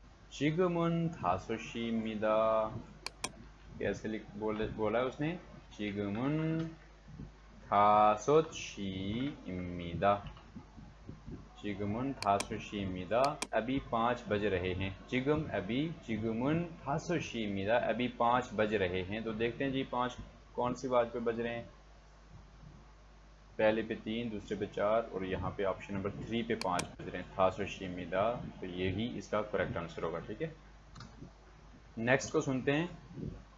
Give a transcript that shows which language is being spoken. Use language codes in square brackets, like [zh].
[ko] 지금은 5시입니다. [hi] कैसे बोला है उसने? [ko] 지금은 5시입니다. 지금은 5시입니다. [hi] 아비 5 बज रहे हैं. [ko] 지금 अभी, 지금은 5시입니다. [hi] 아비 5 बज रहे हैं. तो देखते हैं जी 5 कौन सी बात पे बज रहे हैं? पहले पे 3, दूसरे पे 4 और यहां पे ऑप्शन नंबर 3 पे 5 बज रहे हैं. [ko] 5시입니다. [hi] तो यही इसका करेक्ट आंसर होगा. ठीक है, नेक्स्ट को सुनते हैं.